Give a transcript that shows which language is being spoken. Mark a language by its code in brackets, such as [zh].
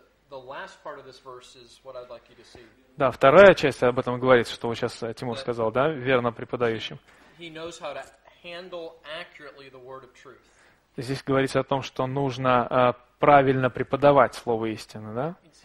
[en] The last part of this verse is what I'd like you to see. [ru] Да, вторая часть об этом говорит, что вот сейчас Тимур сказал, да, верно преподающим. [en] He knows how to handle accurately the word of truth. [ru] Здесь говорится о том, что нужно правильно преподавать слово истины, да?